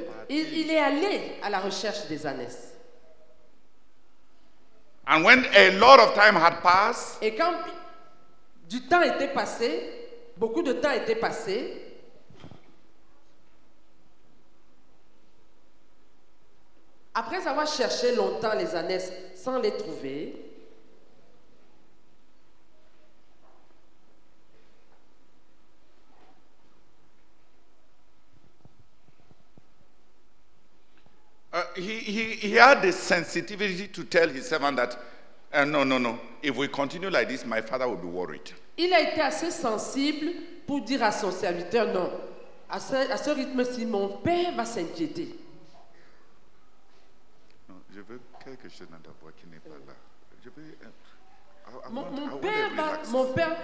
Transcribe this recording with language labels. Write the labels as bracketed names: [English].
[French] Il est allé à la recherche des ânesses. [English] And when a lot of time had passed, [French] et quand du temps était passé, beaucoup de temps était passé, après avoir cherché longtemps les ânesses sans les trouver, [English] He had the sensitivity to tell his servant that, no, if we continue like this, my father will be worried. [French] Il a été assez sensible pour dire à son serviteur, non, à ce rythme-ci, mon père va s'inquiéter. Non, je veux quelque chose dans ta voix qui n'est pas là.